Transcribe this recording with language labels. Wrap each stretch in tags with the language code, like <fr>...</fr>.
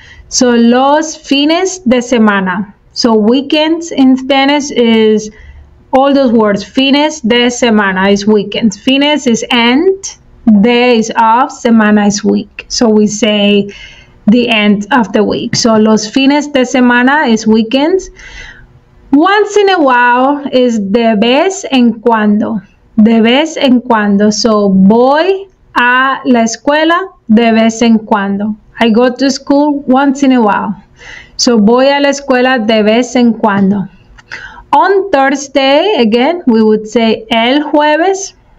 <en>So</en> <es>los fines de semana.</es> <en>So weekends in Spanish is all those words.</en> <es>Fines de semana</es> <en>is weekends. Fines is end, de is of, semana is week. So we say the end of the week. So</en> <es>los fines de semana</es> <en>is weekends. Once in a while is</en> <es>de vez en cuando. De vez en cuando. So, voy a la escuela de vez en cuando.</es> <en>I go to school once in a while. So,</en> <es>voy a la escuela de vez en cuando.</es> <en>On Thursday, again, we would say</en> <es>el jueves.</es>